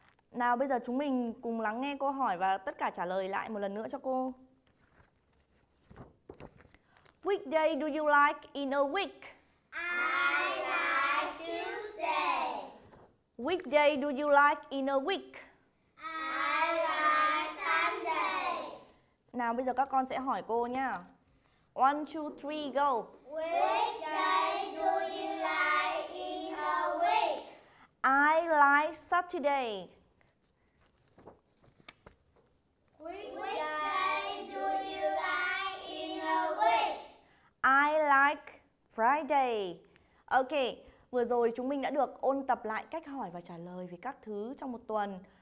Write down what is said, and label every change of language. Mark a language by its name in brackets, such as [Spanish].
[Vietnamese] Nào bây giờ chúng mình cùng lắng nghe cô hỏi và tất cả trả lời lại một lần nữa cho cô. [English] Which day do you like in a week? I like Tuesday. Which day do you like in a week? I like Sunday. [Vietnamese] Nào bây giờ các con sẽ hỏi cô nha. [English] 1, 2, 3, go. Which day do you like? I like Saturday. Which day do you like in a week? I like Friday. [Vietnamese] Ok, vừa rồi chúng mình đã được ôn tập lại cách hỏi và trả lời về các thứ trong một tuần.